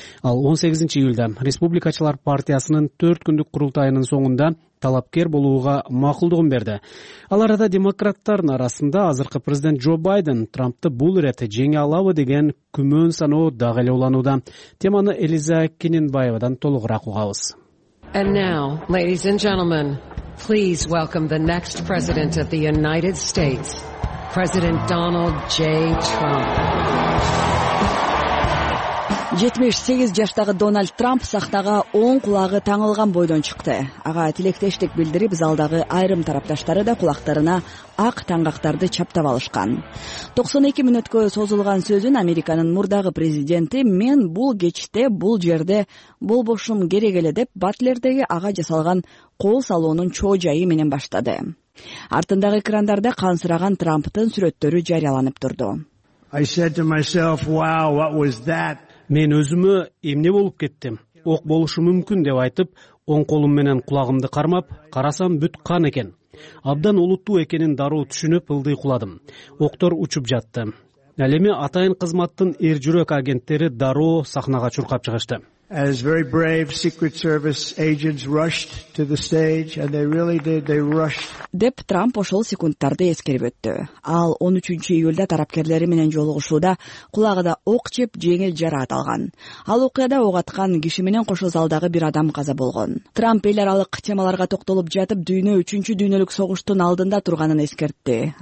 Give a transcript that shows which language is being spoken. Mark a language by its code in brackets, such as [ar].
[ky] Ал 18 июлда Республикачылар партиясынын 4 күндүк курултайынын соңунда талапкер болууга макулдугун берди. Ал арада демократтардын арасында азыркы президент Джо Байден Трампты бул ирете жеңе алабы деген күмөн саноо дагы эле уланууда. Теманы Элиза Кененбаевадан толугураак угабыз. [en] And now, ladies and gentlemen, please welcome the next president of the United States, President Donald J. Trump. [ky] 78 жаштагы Дональд Трамп сахнага оң кулагы таңылган бойдон чыкты. Ага тилектештик билдирип, залдагы айрым тарапташтары да кулактарына ак таңгактарды чаптап алышкан. 92 мүнөткө созулган сөзүн Американын мурдагы президенти «Мен бул кечте, бул жерде болбошум керек эле» деп Батлердеги ага жасалган кол салоонун чоо жайы менен баштады. Артындагы экрандарда кансыраган Трамптын сүрөттөрү жарыяланып турду. [en] I said to myself, "Wow, what was that?" [ky] Мен өзүмө эмне болуп кеттим? Ок болушу мүмкүн деп айтып, оң колум менен кулагымды кармап, карасам бүт кан экен. Абдан улуттуу экенин дароо түшүнүп, ылдый куладым. Октор учуп жатты. Ал эми атайын кызматтын эр жүрөк агенттери дароо сахнага чуркап чыгышты. [en] As very brave secret service agents rushed to the stage and they really did they rushed. [ky] Деп Трамп ошол секундтарды эскерип өттү. Ал 13 июлда тарапкерлери менен жолугушууда кулагында ок жеп жеңил жараат алган. Ал окуяда ок аткан киши менен кошо залдагы бир адам каза болгон. Трамп эл аралык темаларга токтолуп жатып, дүйнө 3-чү дүйнөлүк согуштун алдында турганын эскертти.